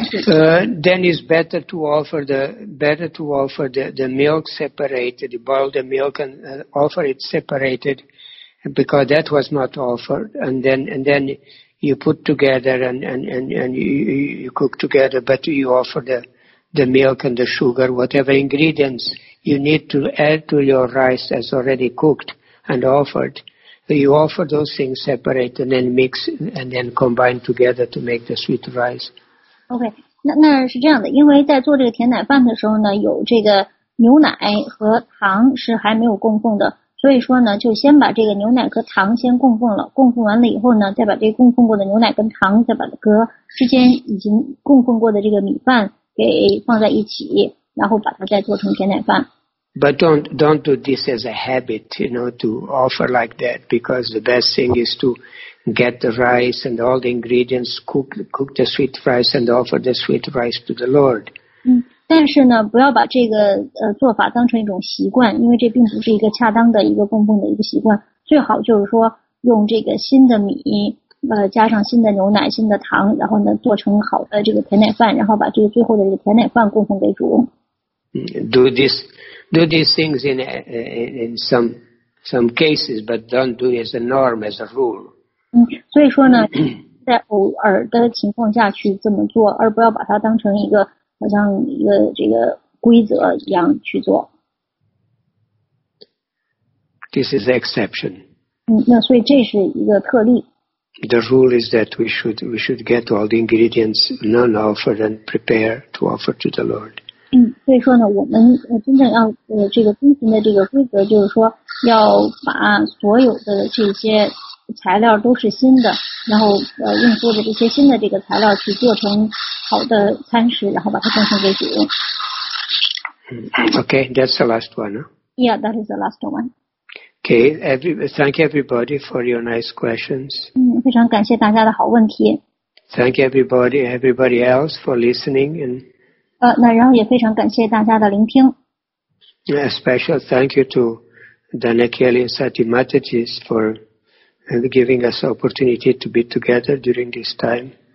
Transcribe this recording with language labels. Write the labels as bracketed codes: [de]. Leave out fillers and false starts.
[en] Then it's better to offer the milk separated, boil the milk and offer it separated, because that was not offered, and then you put together and you cook together, but you offer the milk and the sugar, whatever ingredients you need to add to your rice as already cooked and offered. You offer those things separate and then mix and then combine together to make the sweet rice. Okay, [zh] 那是这样的，因为在做这个甜奶饭的时候呢，有这个牛奶和糖是还没有供奉的，所以说呢，就先把这个牛奶和糖先供奉了，供奉完了以后呢，再把这个供奉过的牛奶跟糖，再把它搁之前已经供奉过的这个米饭给放在一起，然后把它再做成甜奶饭。 [en] But don't do this as a habit, you know, to offer like that, because the best thing is to get the rice and all the ingredients, cook the sweet rice and offer the sweet rice to the Lord. [zh] 但是呢，不要把这个做法当成一种习惯，因为这并不是一个恰当的一个供奉的一个习惯。最好就是说用这个新的米，加上新的牛奶、新的糖，然后呢做成好的这个甜奶饭，然后把这个最后的这个甜奶饭供奉给主。 [en] Do these things in some cases, but don't do it as a norm, as a rule. [zh] 所以说呢，在偶尔的情况下去这么做，而不要把它当成一个好像一个这个规则一样去做。 [en] This is exception. [zh] 那所以这是一个特例。 [en] The rule is that we should get all the ingredients, none offer and prepare to offer to the Lord. [zh] 所以说呢，我们真正要这个遵循的这个规则就是说，要把所有的这些材料都是新的，然后用做的这些新的这个材料去做成好的餐食，然后把它奉献给主。 [en] Okay, that's the last one.、 Huh? Yeah, that is the last one. Okay, thank everybody for your nice questions. [zh] 非常感谢大家的好问题。 [en] Thank everybody else for listening and. [zh] 那然后也非常感谢大家的聆听。 [en] A special thank you to Dana Kelly and Sati Mataji for giving us opportunity to be together during this time.